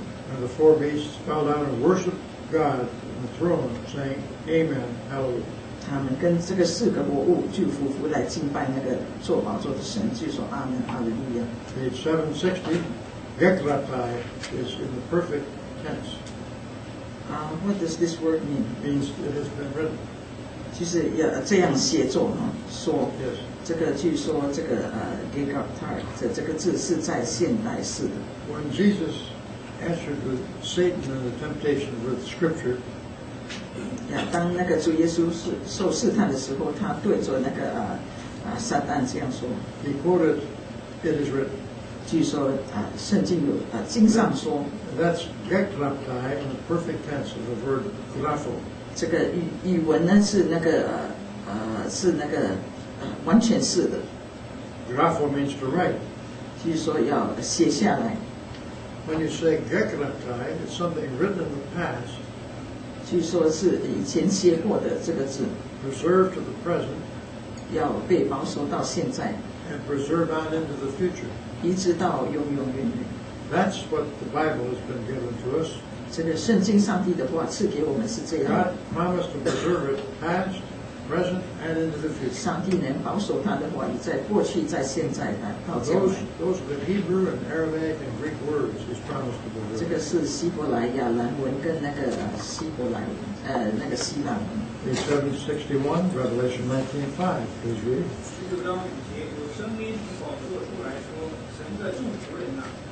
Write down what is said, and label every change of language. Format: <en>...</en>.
<en>And the four beasts fell down and worshiped God in the throne, saying, Amen, Hallelujah.</en> <zh>他们跟这个四个魔物就匍匐来敬拜那个坐宝座的神，就说阿门，哈利路亚。</zh> <en>Page 760, Gekratai is in the perfect tense. What does this word mean? It means it has been written.</en> <zh>就是这样写作说。</zh> <en>Yes.</en> <zh>这个据说这个Gekratai 这个字是在现代式的。</zh> <en>When Jesus answered with Satan in the temptation with Scripture,</en> <zh>当那个主耶稣受试探的时候，他对着那个撒旦这样说。</zh> <en>He quoted, "It is written."</en> <zh>据说圣经有经上说。</zh> <en>That's gekleptai in the perfect tense of the word glepho.</en> <zh>这个语文呢是那个是那个完全式的。</zh> <en>Glepho means to write.</en> <zh>据说要写下来。</zh> <en>When you say gekleptai, it's something written in the past.</en> <zh>据说是以前写过的这个字</zh> <en>preserved to the present,</en> <zh>要被保守到现在</zh> <en>and preserved on into the future.</en> <zh>一直到永永远远</zh> <en>That's what the Bible has been given to us.</en> <zh>这个圣经上帝的话赐给我们是这样</zh> <en>God promised to preserve it past, present, and into the future.</en> <zh>上帝能保守他的话在过去在现在到将来</zh> <en>those are the Hebrew and Aramaic and Greek words he's promised to preserve.</en> <zh>这个是希伯来亚兰文跟那个希伯来那个希腊文</zh> <en>761, Revelation 19:5, please read.</en> <zh>基督当以前有声音从宝座出来说神的众仆人哪</zh>